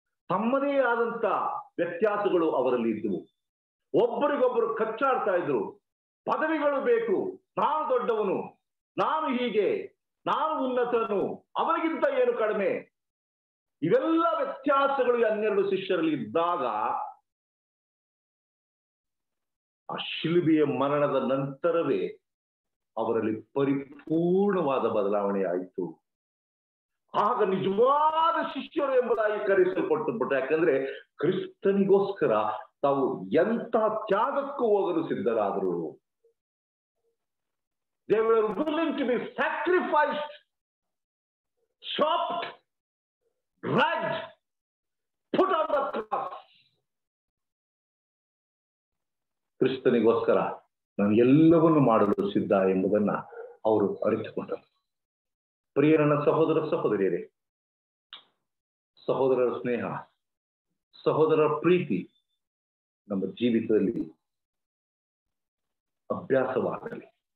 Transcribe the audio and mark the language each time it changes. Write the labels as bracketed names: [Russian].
[Kannada] ತಮ್ಮದೇ ಆದಂತ ವ್ಯತ್ಯಾಸಗಳು ಅವರಲ್ಲಿ ಇದ್ದವು. ಒಬ್ಬರಿಗೊಬ್ಬರು ಕಚ್ಚಾಡ್ತಾ ಇದ್ರು, ಪದವಿಗಳು ಬೇಕು, ನಾನು ದೊಡ್ಡವನು, ನಾನು ಹೀಗೆ, ನಾನು ಉನ್ನತನು, ಅವರಿಗಿಂತ ಏನು ಕಡಿಮೆ, ಇವೆಲ್ಲ ವ್ಯತ್ಯಾಸಗಳು ಈ 12 ಶಿಷ್ಯರಲ್ಲಿ ಇದ್ದಾಗ ಆ ಶಿಲುಬೆಯ ಮರಣದ ನಂತರವೇ ಅವರಲ್ಲಿ ಪರಿಪೂರ್ಣವಾದ ಬದಲಾವಣೆ ಆಯಿತು. ಆಗ ನಿಜವಾದ ಶಿಷ್ಯರು ಎಂಬುದಾಗಿ ಕರೆಸಲ್ಪಟ್ಟುಬಿಟ್ಟು, ಯಾಕಂದ್ರೆ ಕ್ರಿಸ್ತನಿಗೋಸ್ಕರ ತಾವು ಎಂಥ ತ್ಯಾಗಕ್ಕೂ ಹೋಗಲು ಸಿದ್ಧರಾದರು. [English] They were willing to be sacrificed, chopped, dragged, put on the cross. [Kannada] ಕ್ರಿಸ್ತನಿಗೋಸ್ಕರ ನಾನು ಎಲ್ಲವನ್ನು ಮಾಡಲು ಸಿದ್ಧ ಎಂಬುದನ್ನ ಅವರು ಅರಿತುಕೊಂಡರು. ಪ್ರಿಯರನ್ನ ಸಹೋದರ ಸಹೋದರಿಯರೇ, ಸಹೋದರರ ಸ್ನೇಹ, ಸಹೋದರರ ಪ್ರೀತಿ ನಮ್ಮ ಜೀವಿತದಲ್ಲಿ ಅಭ್ಯಾಸವಾಗಲಿ.